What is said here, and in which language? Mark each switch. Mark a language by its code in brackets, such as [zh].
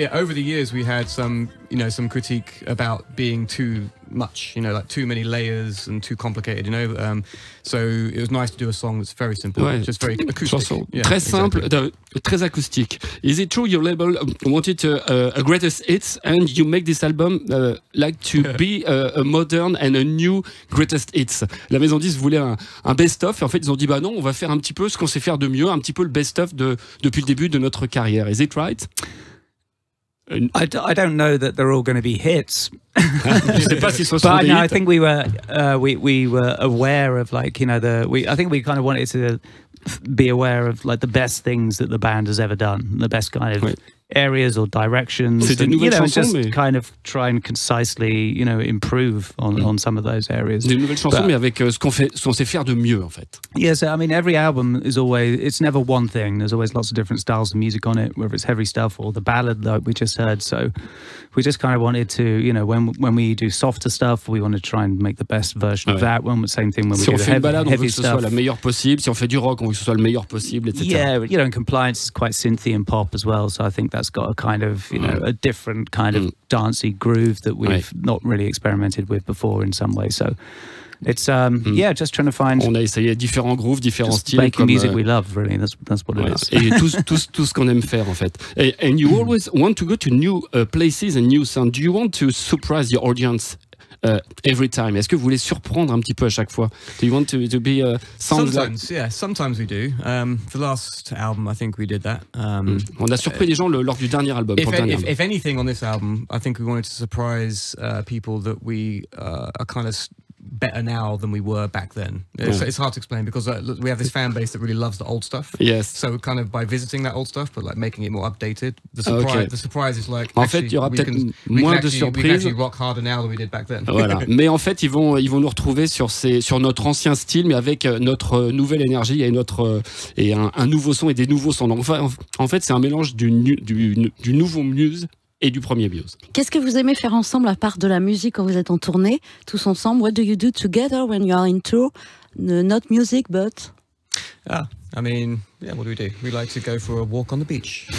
[en] Over the years, we had some, you know, some critique about being too much, you know, like too many layers and too complicated, you know. So it was nice to do a song that's very simple, just very acoustic. [fr] Très simple, très acoustique. [en] Is it true your label wanted a greatest hits and you make this album like to be a modern and a new greatest hits? [fr] La maison disque voulait un best-of et en fait ils ont dit bah non, on va faire un petit peu ce qu'on sait faire de mieux, un petit peu le best-of depuis le début de notre carrière. [en] Is it right? I don't know that they're all going to be hits. But no, I think we were aware of like, you know, I think we kind of wanted to be aware of like the best things that the band has ever done, the best kind of areas or directions. And, you know, just kind of try and concisely, you know, improve on some of those areas. [fr] Des nouvelles chansons, mais avec ce qu'on sait faire de mieux, en fait. [en] Yeah, so I mean, every album is always, it's never one thing. There's always lots of different styles of music on it, whether it's heavy stuff or the ballad like we just heard. So we just kind of wanted to, you know, when we do softer stuff, we want to try and make the best version of that. When, same thing when [fr] si [en] we do the heavy stuff. [fr] Si on fait une ballade, on veut que ce soit la meilleure possible. Si on fait du rock, on veut que ce soit le meilleur possible, etc. [en] Yeah, you know, and Compliance is quite synthy and pop as well, so I think that's got a kind of, you know, a different kind of dancey groove that we've not really experimented with before in some way. So it's yeah, just trying to find. [fr] On a essayé différents grooves, différents styles. [en] Just making music we love, really. That's what it is. [fr] Et tout ce qu'on aime faire, en fait. [en] And you always want to go to new places and new sounds. Do you want to surprise your audience every time? [fr] Est-ce que vous voulez surprendre un petit peu à chaque fois? [en] Do you want to be a sound sometimes, like... Yeah, sometimes we do. The last album, I think we did that. [fr] On a surpris les gens lors du dernier album. [en] If anything on this album, I think we wanted to surprise people that we are kind of better now than we were back then. It's hard to explain because we have this fan base that really loves the old stuff. Yes. So kind of by visiting that old stuff, but like making it more updated. The surprise, the surprise is like, [fr] en fait, il y aura peut-être moins de surprises. [en] We can actually rock harder now than we did back then. [fr] Voilà. Mais en fait, ils vont nous retrouver sur notre ancien style, mais avec notre nouvelle énergie et un nouveau son et des nouveaux sons. Donc, en fait, c'est un mélange du nouveau Muse et du premier Muse. Qu'est-ce que vous aimez faire ensemble à part de la musique quand vous êtes en tournée, tous ensemble? [en] What do you do together when you are in tour? Not music, but... I mean, yeah, what do? We like to go for a walk on the beach.